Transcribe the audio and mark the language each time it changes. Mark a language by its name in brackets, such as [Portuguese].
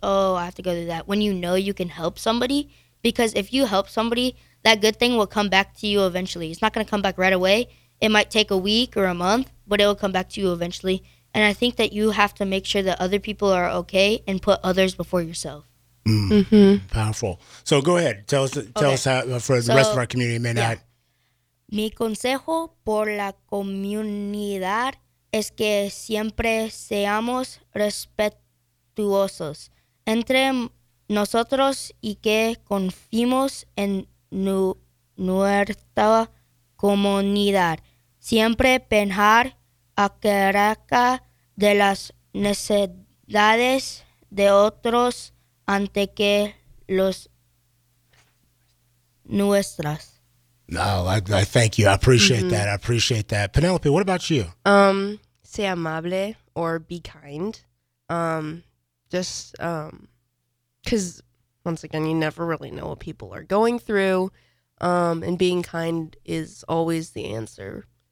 [English] Oh, I have to go do that. When you know you can help somebody, because if you help somebody, that good thing will come back to you eventually. It's not going to come back right away. It might take a week or a month, but it will come back to you eventually. And I think that you have to make sure that other people are okay and put others before yourself. Mm-hmm. Powerful. So go ahead. Tell us how, for the rest of our community, may not. [Spanish] Mi consejo por la comunidad es que siempre seamos respetuosos entre nosotros y que confiemos en nuestra comunidad. Siempre pensar acerca de las necesidades de otros antes que los nuestras. [English] No, I thank you. I appreciate that. I appreciate that. Penelope, what about you? [Spanish] Sea amable [English] or be kind. Because once again, you never really know what people are going through. And being kind is always the answer.